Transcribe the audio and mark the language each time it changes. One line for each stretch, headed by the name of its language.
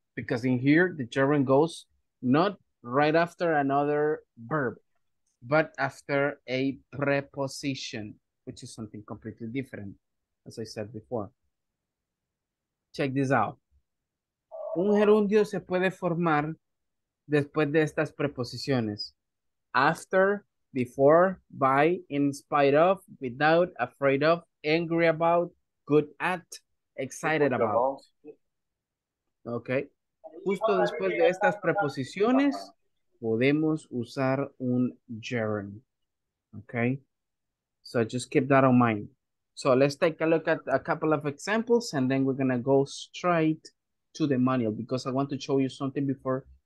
English: Because in here, the gerund goes not right after another verb, but after a preposition, which is something completely different, as I said before. Check this out.
Spanish: Un gerundio se puede formar después de estas preposiciones.
English: After, before, by, in spite of, without, afraid of, angry about, good at, excited about. Okay.
Spanish: Justo después de estas preposiciones, podemos usar un gerund.
English: Okay. So just keep that in mind. So let's take a look at a couple of examples and then we're going to go straight to the manual because I want to show you something before.